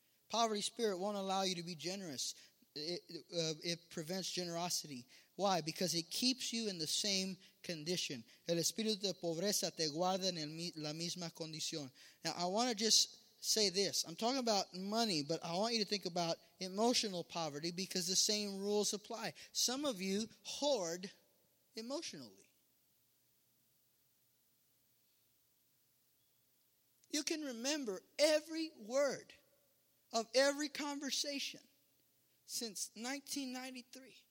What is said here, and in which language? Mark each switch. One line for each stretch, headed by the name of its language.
English: Poverty spirit won't allow you to be generous. It prevents generosity. Why? Because it keeps you in the same condition.
Spanish: El espíritu de pobreza te guarda en la misma condición.
English: Now, I want to just say this. I'm talking about money, but I want you to think about emotional poverty because the same rules apply. Some of you hoard emotionally. You can remember every word of every conversation since 1993.